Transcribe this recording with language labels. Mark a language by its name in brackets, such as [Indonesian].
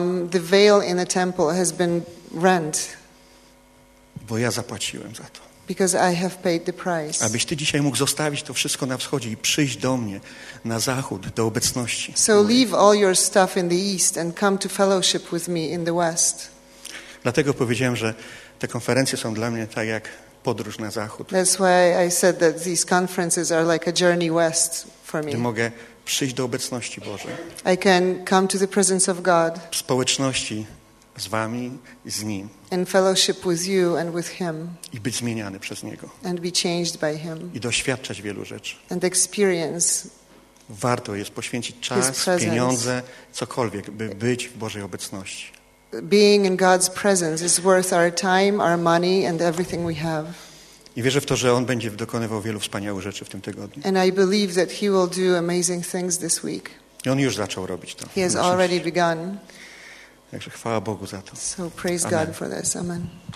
[English] The veil in the temple has been rent. [Polish] Bo ja zapłaciłem za to. [English] Because I have paid the price. [Polish] Abyś ty dzisiaj mógł zostawić to wszystko na wschodzie i przyjść do mnie na zachód, do obecności. [English] So leave all your stuff in the east and come to fellowship with me in the west. [Polish] Dlatego powiedziałem, że te konferencje są dla mnie tak jak podróż na zachód. [English] That's why I said that these conferences are like a journey west for me. [Polish] Gdy mogę przyjść do obecności Bożej. [English] I can come to the presence of God. [Polish] W społeczności z wami i z nim. [English] In fellowship with you and with him. [Polish] I być zmieniany przez niego. [English] And be changed by him. [Polish] I doświadczać wielu rzeczy. [English] And experience. [Polish] Warto jest poświęcić czas, pieniądze, cokolwiek, by być w Bożej obecności. [English] Being in God's presence is worth our time, our money and everything we have. [Polish] I wierzę w to, że on będzie dokonywał wielu wspaniałych rzeczy w tym tygodniu. [English] And I believe that he will do amazing things this week. [Polish] I on już zaczął robić to. [English] He has already begun. [Polish] Także chwała Bogu za to. [English] So praise God for this. Amen.